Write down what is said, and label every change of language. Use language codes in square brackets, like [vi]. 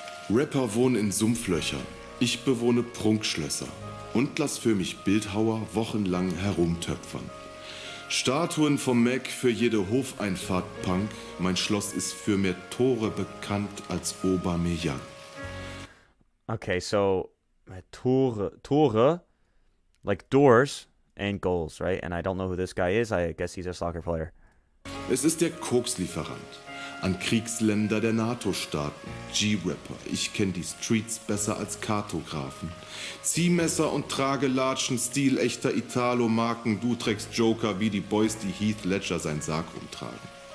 [de] Rapper wohnen in Sumpflöcher. Ich bewohne Prunkschlösser. Und lass für mich Bildhauer wochenlang herumtöpfern. Statuen vom Mac für jede Hofeinfahrt Punk. Mein Schloss ist für mehr Tore bekannt als Aubameyang. [en] Okay, so Tore, like doors and goals, right? And I don't know who this guy is. I guess he's a soccer player. [de] Es ist der Kokslieferant an Kriegsländer der NATO-Staaten. G-Rapper, ich kenne die Streets besser als Kartografen. Ziehmesser und Tragelatschen, Stil echter Italo-Marken. Du trägst Joker wie die Boys, die Heath Ledger sein Sarg umtragen.